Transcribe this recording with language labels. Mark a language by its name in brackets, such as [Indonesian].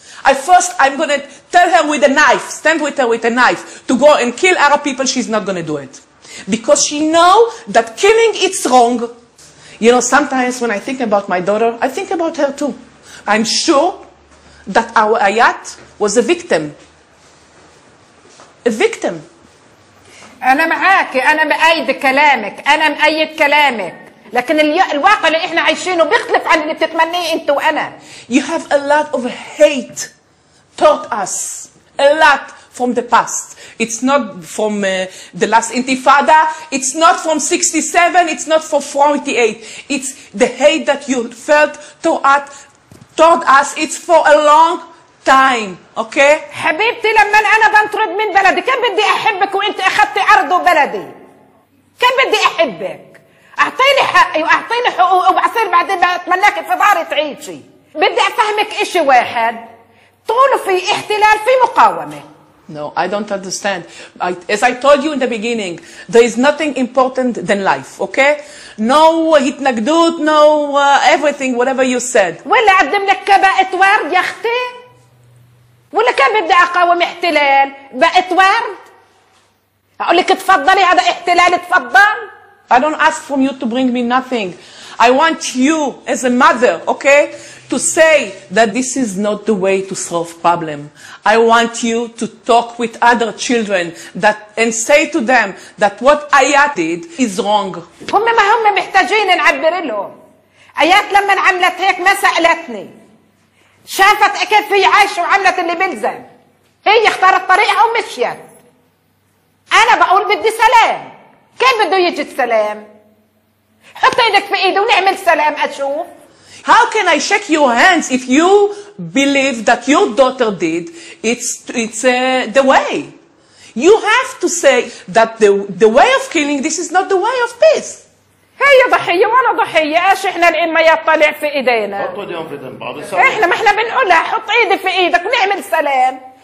[English] I first, I'm going to tell her with a knife, stand with her with a knife, to go and kill Arab people, she's not going to do it. Because she know that killing is wrong. You know, sometimes when I think about my daughter, I think about her too. I'm sure that our Ayat was a victim. A victim. [Arabic] أنا معاك، أنا مأيد كلامك، أنا مأيد كلامك. لكن الواقع اللي احنا عايشينه بيختلف عن اللي بتتمنيه انت وانا. [English] You have a lot of hate taught us. A lot from the past. It's not from the last intifada. It's not from 67. It's not from 48. It's the hate that you felt toward us. It's for a long time. Okay? [Arabic] حبيبتي لما انا بنطرد من بلدي كان بدي احبك وانت اخذت ارض وبلدي. كان بدي احبك. أعطيني حقي وأعطيني حقوقي وبعصير بعدين بتمناك في داري تعيشي. بدي أفهمك إشي واحد، طول في احتلال في مقاومة. [English] No, I don't understand. As I told you in the beginning, there is nothing important than life, okay? No התנגדות, no everything, whatever you said. [Arabic] ولا أقدم لك كبائت ورد يا أختي؟ ولا كان بدي أقاوم احتلال بقت ورد؟ أقول لك تفضلي هذا احتلال تفضل؟ [English] I don't ask from you to bring me nothing. I want you as a mother, okay, to say that this is not the way to solve problem. I want you to talk with other children that and say to them that what Ayat did is wrong. [Arabic] هم ما هم محتاجين نعبر لهم. Ayat لما عملت هيك ما سألتني. شافت أكيد في عايشة وعملت اللي بلزم. هي اختارت طريقها ومشيت. أنا بقول بدي سلام. كيف بده يجي السلام؟ حط ايدك في ايدي ونعمل سلام اشوف. [English] How can I shake your hands if you believe that your daughter did? It's the way. You have to say that the way of killing this is not the way of peace. [Arabic] هي ضحية وانا ضحية، ايش احنا الان ما يطلع في ايدينا؟ حطوا ايديهم في ايدين بعض السلام. احنا ما احنا بنقولها حط ايدي في ايدك ونعمل سلام.